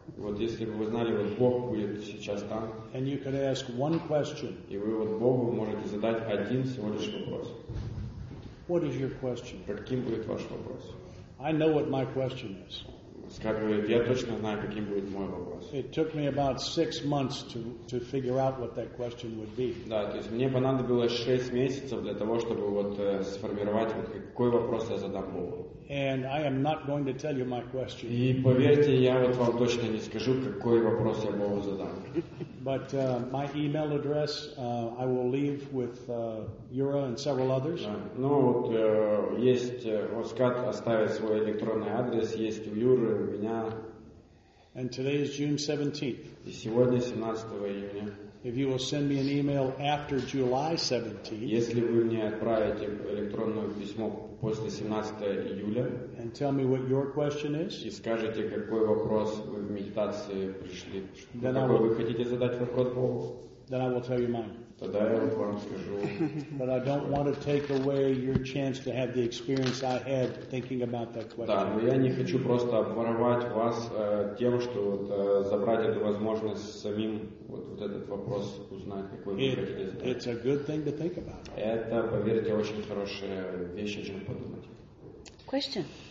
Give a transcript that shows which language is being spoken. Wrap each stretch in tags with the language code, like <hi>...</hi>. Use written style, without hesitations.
<ru>вот если бы вы знали, вот Бог будет сейчас там,</ru> <en>and you could ask one question,</en> <ru>и вы вот Богу можете задать один всего лишь вопрос.</ru> <en>What is your question?</en> <ru>Каким будет ваш вопрос?</ru> <en>I know what my question is.</en> <ru>Я точно знаю, каким будет мой вопрос.</ru> <en>It took me about 6 months to figure out what that question would be.</en> <ru>Да, то есть мне понадобилось 6 месяцев для того, чтобы вот сформировать вот какой вопрос я задам Богу.</ru> <en>And I am not going to tell you my question.</en> <ru>И поверьте, я вот вам точно не скажу, какой вопрос я Богу задам.</ru> <en>But my email address I will leave with Юра and several others.</en> <ru>Да. Ну вот есть Оскар оставит свой электронный адрес, есть у Юры, у меня.</ru> <en>And today is June 17th.</en> <ru>И сегодня 17 июня.</ru> <en>If you will send me an email after July 17th,</en> <ru>если вы мне отправите электронное письмо после 17 июля,</ru> <en>and tell me what your question is,</en> <ru>и скажите, какой вопрос вы в медитации пришли, какой вы хотите задать вопрос Богу,</ru> <en>then I will tell you mine.</en> <ru>Тогда я вам скажу.</ru> <en>But I don't want to take away your chance to have the experience I had thinking about that question.</en> <ru>Да, но я не хочу просто обворовать вас тем, что вот, забрать эту возможность самим вот, вот этот вопрос узнать, какой вы хотите задать.</ru> <en>It's a good thing to think about.</en> <ru>Это, поверьте, очень хорошая вещь, о чем подумать.</ru> <en>Question.</en>